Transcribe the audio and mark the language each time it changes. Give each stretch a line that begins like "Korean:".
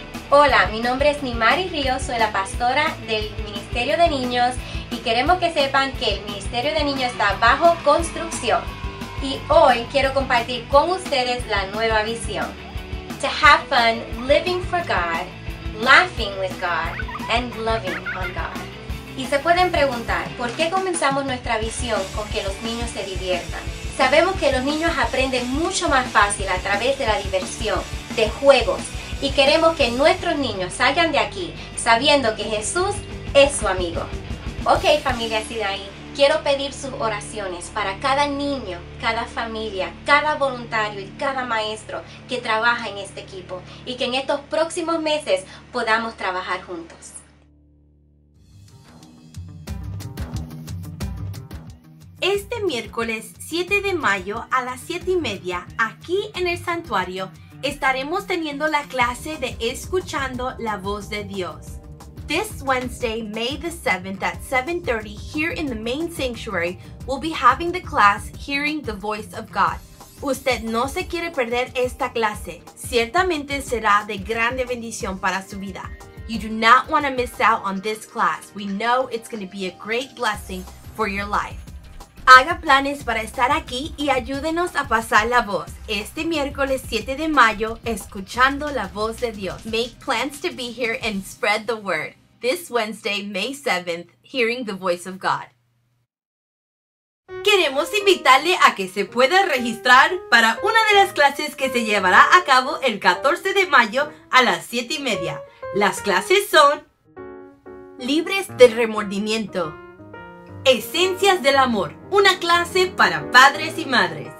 Spanish: Hola, mi nombre es Nimari Ríos, soy la pastora del Ministerio de Niños y queremos que sepan que el Ministerio de Niños está bajo construcción. Y hoy quiero compartir con ustedes la nueva visión.
English: To have fun living for God, laughing with God, and loving on God.
Spanish: Y se pueden preguntar, ¿por qué comenzamos nuestra visión con que los niños se diviertan? Sabemos que los niños aprenden mucho más fácil a través de la diversión, de juegos, y queremos que nuestros niños salgan de aquí sabiendo que Jesús es su amigo. Ok, familia Sinaí, quiero pedir sus oraciones para cada niño, cada familia, cada voluntario y cada maestro que trabaja en este equipo y que en estos próximos meses podamos trabajar juntos. Este miércoles 7 de mayo a las 7:30, aquí en el santuario, estaremos teniendo la clase de Escuchando la Voz de Dios.
English: This Wednesday, May the 7th at 7:30 here in the main sanctuary, we'll be having the class Hearing the Voice of God.
Spanish: Usted no se quiere perder esta clase. Ciertamente será de grande bendición para su vida.
English: You do not want to miss out on this class. We know it's going to be a great blessing for your life.
Spanish: Haga planes para estar aquí y ayúdenos a pasar la voz. Este miércoles 7 de mayo, escuchando la voz de Dios.
English: Make plans to be here and spread the word. This Wednesday, May 7th, hearing the voice of God.
Spanish: Queremos invitarle a que se pueda registrar para una de las clases que se llevará a cabo el 14 de mayo a las 7:30. Las clases son Libres del Remordimiento. Esencias del Amor, una clase para padres y madres.